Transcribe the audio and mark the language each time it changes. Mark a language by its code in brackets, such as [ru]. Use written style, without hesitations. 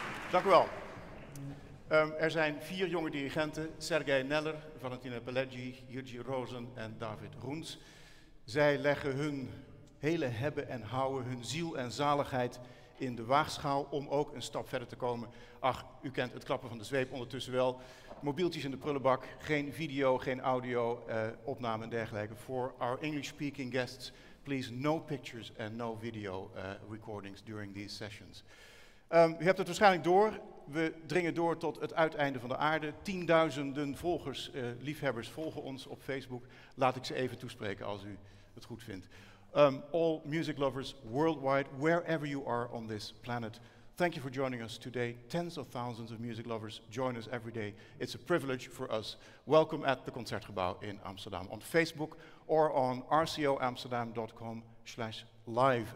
[nl] Dank u wel. Er zijn 4 jonge dirigenten, Sergej Neller, Valentina Pelleggi, Jurgi Rosen en David Roens. Zij leggen hun hele hebben en houden, hun ziel en zaligheid in de waagschaal om ook een stap verder te komen. Ach, u kent het klappen van de zweep ondertussen wel. Mobieltjes in de prullenbak, geen video, geen audio, opname en dergelijke. [en] For our English speaking guests, please no pictures and no video recordings during these sessions. [nl] U hebt het waarschijnlijk door. We dringen door tot het uiteinde van de aarde. Tienduizenden volgers, liefhebbers, volgen ons op Facebook. Laat ik ze even toespreken als u het goed vindt. [en] All music lovers worldwide, wherever you are on this planet, thank you for joining us today. Tens of thousands of music lovers join us every day. It's a privilege for us. Welcome at the Concertgebouw in Amsterdam. On Facebook or on rcoamsterdam.com/live.